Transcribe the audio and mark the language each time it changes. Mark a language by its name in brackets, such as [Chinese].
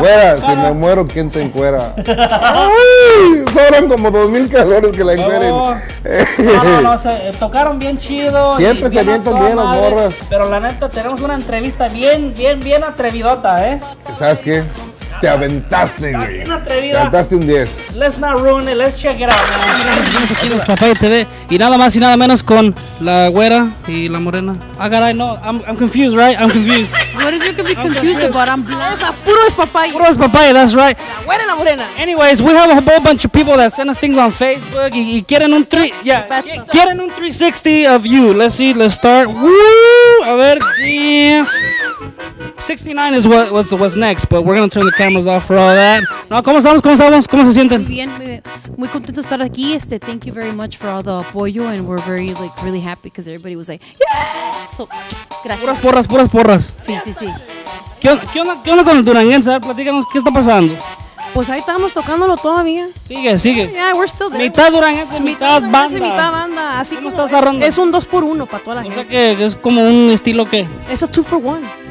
[Spanish] Güera, si me muero, ¿quién te encuera? ¡Ay! Sobran como 2,000 calores que la encueren. No, se tocaron bien chido. Siempre se avientan bien las morras. Pero la neta, tenemos una entrevista bien, bien, bien atrevidota, ¿eh? ¿Sabes qué? Te aventaste, güey. Bien atrevida. Te aventaste un 10. [English] Let's not ruin it, let's check it out, man. [Spanish] Seguimos aquí los Papaya TV. Y nada más y nada menos con la güera y la morena. Ah, caray, no, [English] I'm confused, right? I'm confused. What is you can be confused about? I'm blessed. [Spanish] Puro es papaya. Puro es papaya, [English] that's right. [Spanish] La güera y la morena. [English] Anyways, we have a whole bunch of people that send us things on Facebook. [Spanish] Y quieren un 360 [English] of you. Let's see, let's start. Woo! [Spanish] A ver, damn. [English] 69 is what's next, but we're going to turn the cameras off for all that. [Spanish] No, ¿cómo estamos? ¿Cómo estamos? ¿Cómo se sienten? Muy bien, muy contento de estar aquí. [English] Thank you very much for all the apoyo, and we're very, like, really happy because everybody was like, yeah! [Spanish] So, gracias. Puras porras, puras porras. Sí, sí, sí. ¿Qué onda con el duranguense? A ver, platícanos, ¿qué está pasando? Pues ahí estamos tocándolo todavía. Sigue. [English] Yeah, we're still there. [Spanish] Mitad duranguense, mitad banda. Mitad banda, así ¿cómo como estás arrando? Es un 2x1 para toda la gente. O sea que es como un estilo, ¿qué? Es a 2x1.